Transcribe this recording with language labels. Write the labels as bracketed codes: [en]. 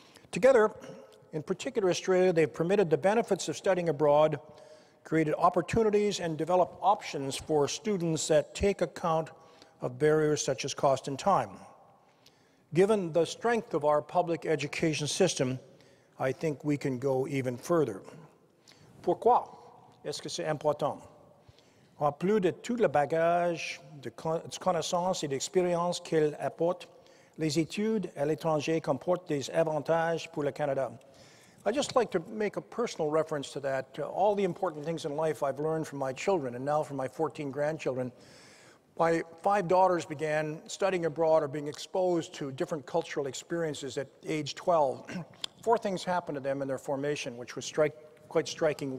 [en] Together, in particular Australia, they've permitted the benefits of studying abroad, created opportunities and developed options for students that take account of barriers such as cost and time. Given the strength of our public education system, I think we can go even further. [fr] Pourquoi est-ce que c'est important? En plus de tout le bagage de connaissances et d'expérience qu'elle apporte, les études à l'étranger comportent des avantages pour le Canada. [en] I'd just like to make a personal reference to that. All the important things in life I've learned from my children and now from my 14 grandchildren. My five daughters began studying abroad or being exposed to different cultural experiences at age 12. Four things happened to them in their formation, which was quite striking.